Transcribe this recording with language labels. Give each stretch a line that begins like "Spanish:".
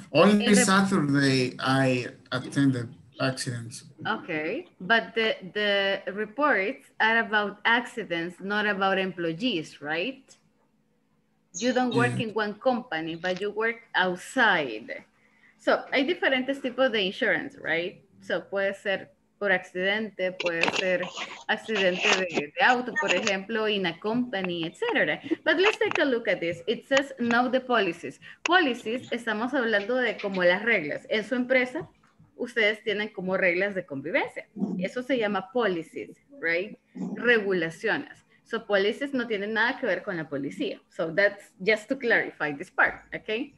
English: only Saturday I attend the accidents. Okay, but the reports are about accidents, not about employees, right? You don't work in one company, but you work outside.
Spanish: So hay diferentes tipos de insurance, right? So puede ser por accidente, puede ser accidente de auto, por ejemplo,
English: in a company,
Spanish: etc.
English: But let's take a look at this. It says, know the policies. Policies,
Spanish: estamos hablando de como las reglas. En su empresa, ustedes tienen como reglas de convivencia. Eso se llama policies, right? Regulaciones. So policies no tienen nada que ver con la policía.
English: So that's just to clarify this part, okay?